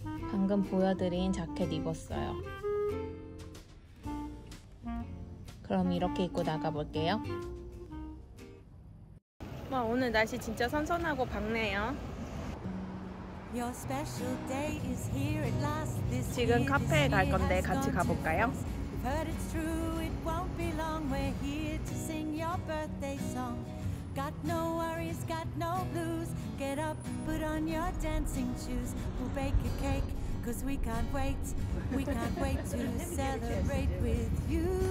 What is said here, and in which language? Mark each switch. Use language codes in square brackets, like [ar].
[ko] 방금 보여드린 자켓 입었어요. 그럼 이렇게 입고 나가볼게요. 와, 오늘 날씨 진짜 선선하고 밝네요. [en] Your special day is here at last. [ko] This 지금 카페에 갈 건데 같이 가볼까요? [en] But it's true, it won't be long. We're here to sing your birthday song. Got no worries, got no blues. Get up, put on your dancing shoes. We'll bake a cake, cause we can't wait. We can't wait to celebrate with you.